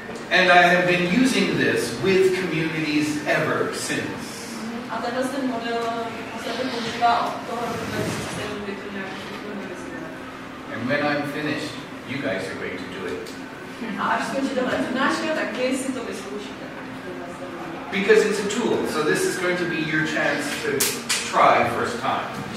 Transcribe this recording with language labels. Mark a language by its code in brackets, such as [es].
[en] And I have been using this with communities ever since. [cs] A tenhle ten model se používá od toho roku 2007, kdy to nějak vymyslel. [en] And when I'm finished, you guys are going to do it. [cs] A až skončí tohle přednáška, tak vy si to vyzkoušíte. [en] Because it's a tool, so this is going to be your chance to try first time.